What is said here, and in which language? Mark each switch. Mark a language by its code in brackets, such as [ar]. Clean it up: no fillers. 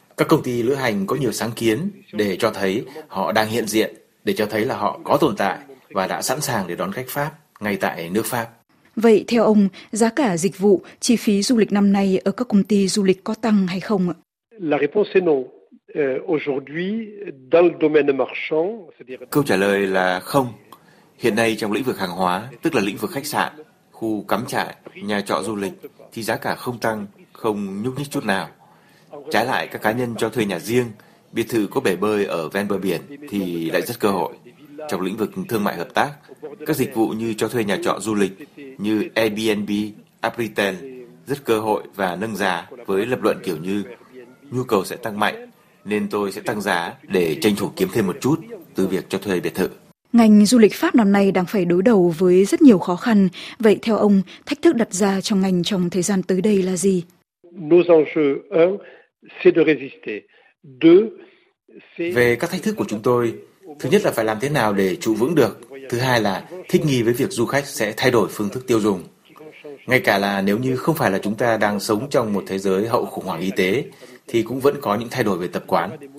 [vi] Các công ty lữ hành có nhiều sáng kiến để cho thấy họ đang hiện diện, để cho thấy là họ có tồn tại và đã sẵn sàng để đón khách Pháp ngay tại nước Pháp. Vậy theo ông, giá cả dịch vụ, chi phí du lịch năm nay ở các công ty du lịch có tăng hay không ạ? [fr] La réponse est non. Aujourd'hui, dans le domaine marchand, c'est-à-dire... [vi] Câu trả lời là không. Hiện nay trong lĩnh vực hàng hóa, tức là lĩnh vực khách sạn, khu cắm trại, nhà trọ du lịch, thì giá cả không tăng, không nhúc nhích chút nào. Trái lại, các cá nhân cho thuê nhà riêng, biệt thự có bể bơi ở ven bờ biển thì lại rất cơ hội. Trong lĩnh vực thương mại hợp tác, các dịch vụ như cho thuê nhà trọ du lịch như Airbnb, Apritel rất cơ hội và nâng giá với lập luận kiểu như nhu cầu sẽ tăng mạnh nên tôi sẽ tăng giá để tranh thủ kiếm thêm một chút từ việc cho thuê biệt thự. Ngành du lịch Pháp năm nay đang phải đối đầu với rất nhiều khó khăn. Vậy theo ông, thách thức đặt ra trong ngành trong thời gian tới đây là gì? [fr] Nos enjeux, un, c'est de résister. Deux, c'est... [vi] Về các thách thức của chúng tôi, thứ nhất là phải làm thế nào để trụ vững được. Thứ hai là thích nghi với việc du khách sẽ thay đổi phương thức tiêu dùng. Ngay cả là nếu như không phải là chúng ta đang sống trong một thế giới hậu khủng hoảng y tế, thì cũng vẫn có những thay đổi về tập quán.